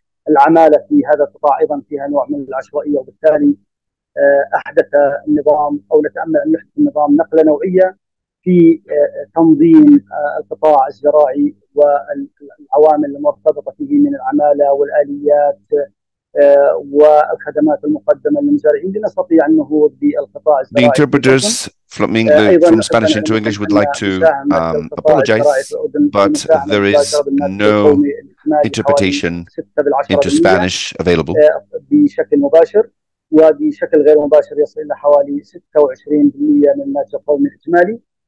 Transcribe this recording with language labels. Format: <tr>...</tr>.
<ar>العمالة في هذا القطاع أيضا فيها نوع من العشوائية، وبالتالي أحدث النظام أو نتأمل أن يحدث النظام نقلة نوعية في تنظيم القطاع الزراعي والعوامل المرتبطة فيه من العمالة والآليات والخدمات المقدمة للمزارعين لنستطيع النهوض بالقطاع الزراعي.</ar> <en>The interpreters from Spanish into English would like to apologize, but there is no interpretation into Spanish available.</en> <ar>بشكل مباشر وبشكل غير مباشر يصل إلى حوالي 26% من الناتج القومي الإجمالي.</ar>